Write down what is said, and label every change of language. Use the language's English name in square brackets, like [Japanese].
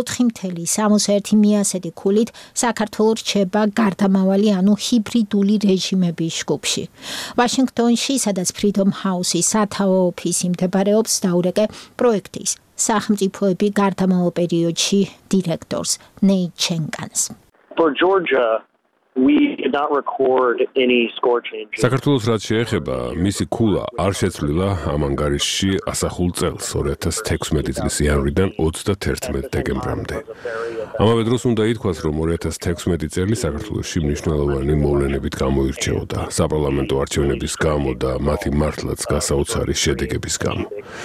[Georgian] 4.61 მიასედი ქულით საქართველო რჩება გარდამავალი, ანუ ჰიბრიდული რეჟიმების ჯგუფში. ვაშინგტონში, სადაც Freedom House-ის სათავო ოფისი მდებარეობს, დაურეკე პროექტის სახელმწიფოები გარდამავალ პერიოდში დირექტორს Nate Chenkans. [English] For Georgia, we did not record any score changes. [Georgian] საქართველოს რაც შეეხება, მისი ქულა არ შეცვლილა ამ ანგარიშში ასახულ წელს 2016 წლის იანვრიდან 31 დეკემბრამდე. ამავე დროს უნდა ითქვას, რომ 2016 წელი საქართველოში მნიშვნელოვანი მოვლენებით გამოირჩეოდა, საპარლამენტო არჩევნების გამო და მათი მართლაც გასაოცარი შედეგების გამო.